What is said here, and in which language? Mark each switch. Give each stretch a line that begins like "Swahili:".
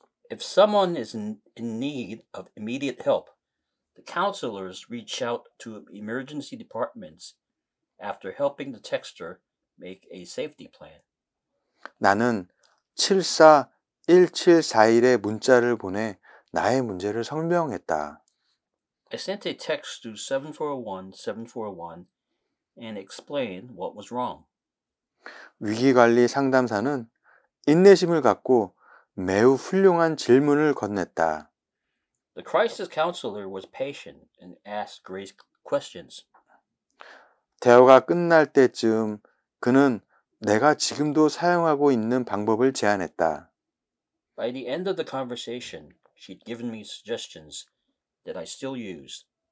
English: If someone is in need of immediate help, the counselors reach out to emergency departments after helping the texter make a safety plan.
Korean: 나는 741741에 문자를 보내 나의 문제를 설명했다.
English: I sent a text to 741741 and explained what was wrong.
Korean: 위기관리 상담사는 인내심을 갖고 매우 훌륭한 질문을 건넸다.
English: The crisis counselor was patient and asked great questions.
Korean: 대화가 끝날 때쯤 그는 내가 지금도 사용하고 있는 방법을 제안했다.
English: By the end of the conversation, she'd given me suggestions that I still use.